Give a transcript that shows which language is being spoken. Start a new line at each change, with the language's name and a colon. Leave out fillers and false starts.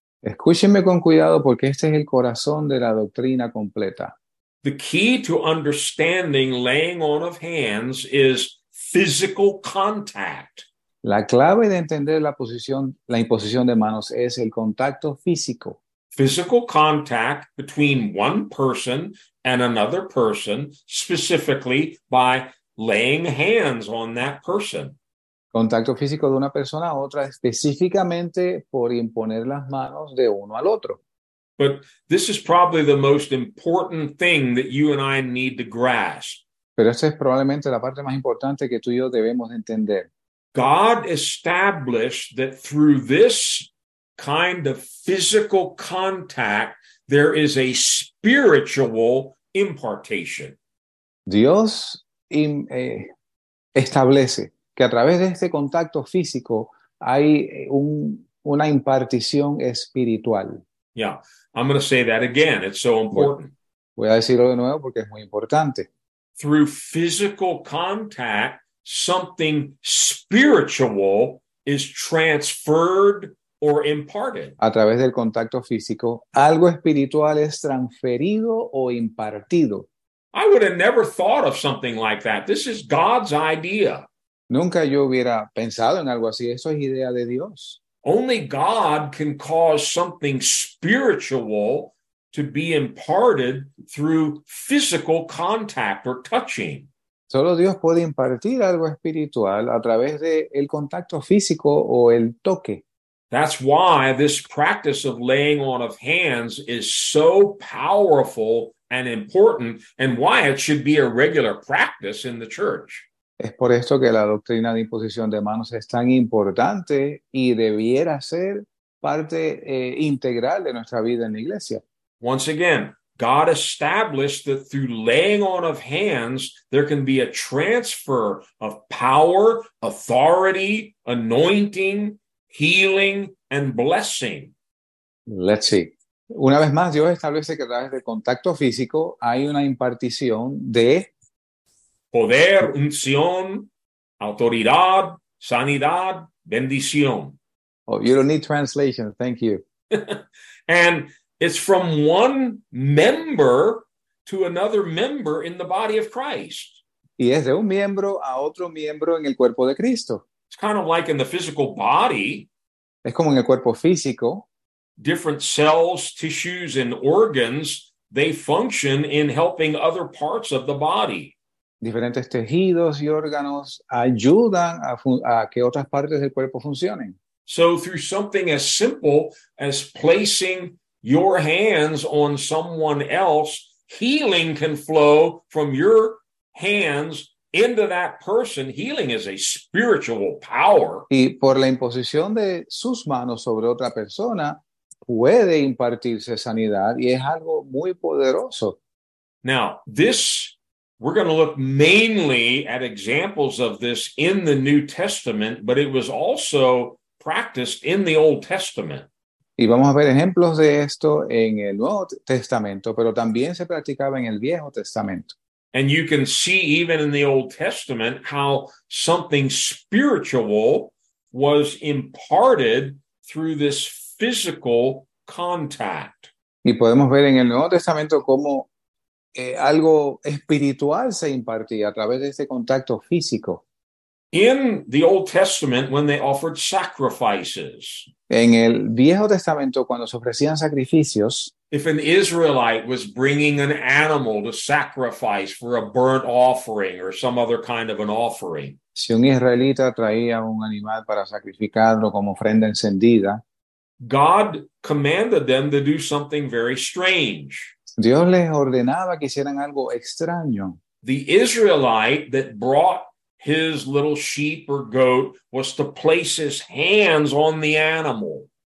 Spanish: Escúchenme con cuidado porque este es el corazón de la doctrina completa.
English: The key to understanding laying on of hands is physical contact.
Spanish: La clave de entender la imposición de manos es el contacto físico.
English: Physical contact between one person and another person, specifically by laying hands on that person.
Spanish: Contacto físico de una persona a otra, específicamente por imponer las manos de uno al otro.
English: But this is probably the most important thing that you and I need to grasp.
Spanish: Pero esta es probablemente la parte más importante que tú y yo debemos entender.
English: God established that through this kind of physical contact, there is a spiritual impartation.
Spanish: Dios establece que a través de este contacto físico hay una impartición espiritual.
English: Yeah, I'm going to say that again. It's so important.
Spanish: Voy a decirlo de nuevo porque es muy importante.
English: Through physical contact, something spiritual is transferred or imparted.
Spanish: A través del contacto físico, algo espiritual es transferido o impartido.
English: I would have never thought of something like that. This is God's idea.
Spanish: Nunca yo hubiera pensado en algo así. Eso es idea de Dios.
English: Only God can cause something spiritual to be imparted through physical contact or touching.
Spanish: Solo Dios puede impartir algo espiritual a través de el contacto físico o el toque.
English: That's why this practice of laying on of hands is so powerful and important, and why it should be a regular practice in the church.
Spanish: Es por esto que la doctrina de imposición de manos es tan importante y debiera ser parte integral de nuestra vida en la iglesia.
English: Once again, God established that through laying on of hands, there can be a transfer of power, authority, anointing, healing, and blessing. Let's see.
Spanish: Una vez más, Dios establece que a través del contacto físico hay una impartición de poder, unción, autoridad, sanidad, bendición.
English: Oh, you don't need translation. Thank you. And it's from one member to another member in the body of Christ.
Spanish: Y es de un miembro a otro miembro en el cuerpo de Cristo.
English: It's kind of like in the physical body.
Spanish: Es como en el cuerpo físico.
English: Different cells, tissues, and organs, they function in helping other parts of the body.
Spanish: Diferentes tejidos y órganos ayudan a que otras partes del cuerpo funcionen.
English: So through something as simple as placing your hands on someone else, healing can flow from your hands into that person. Healing is a spiritual power.
Spanish: Y por la imposición de sus manos sobre otra persona, puede impartirse sanidad y es algo muy poderoso.
English: Now, this, we're going to look mainly at examples of this in the New Testament, but it was also practiced in the Old Testament.
Spanish: Y vamos a ver ejemplos de esto en el Nuevo Testamento, pero también se practicaba en el Viejo Testamento.
English: And you can see even in the Old Testament how something spiritual was imparted through this physical contact.
Spanish: Y podemos ver en el Nuevo Testamento cómo algo espiritual se impartía a través de ese contacto físico.
English: In the Old Testament, when they offered sacrifices,
Spanish: en el Viejo Testamento, cuando se ofrecían sacrificios,
English: if an Israelite was bringing an animal to sacrifice for a burnt offering or some other kind of an offering,
Spanish: si un israelita traía un animal para sacrificarlo como ofrenda encendida,
English: God commanded them to do something very strange.
Spanish: Dios les ordenaba que hicieran algo extraño.
English: The Israelite that brought his little sheep or goat was to place his hands on the animal.